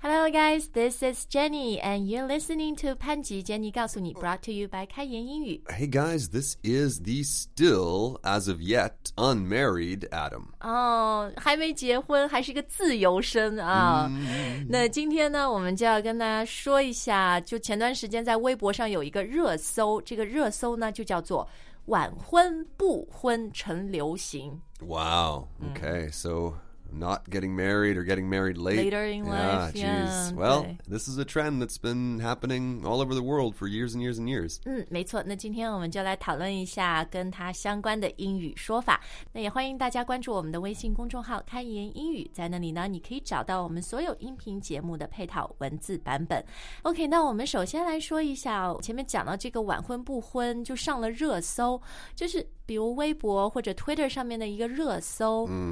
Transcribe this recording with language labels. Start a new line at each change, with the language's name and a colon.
English: guys, this is Jenny, and you're listening to 潘吉 Jenny 告诉你 brought to you by 开言英语 Hey guys, this is the still, as of yet, unmarried Adam.
Chinese: 还没结婚，还是个自由身啊。那今天呢，我们就要跟大家说一下，就前段时间在微博上有一个热搜，这个热搜呢就叫做晚婚不婚成流行。
English: Wow, okay, so... Not getting married or getting married later in life. Yeah, geez. Yeah, well, this is a trend that's been happening all over the world for years and years and years.
Chinese: 没错。那今天我们就来讨论一下跟它相关的英语说法。那也欢迎大家关注我们的微信公众号“开言英语”。在那里呢，你可以找到我们所有音频节目的配套文字版本。 OK, 那我们首先来说一下前面讲到这个晚婚不婚就上了热搜，就是比如微博或者 Twitter 上面的一个热搜。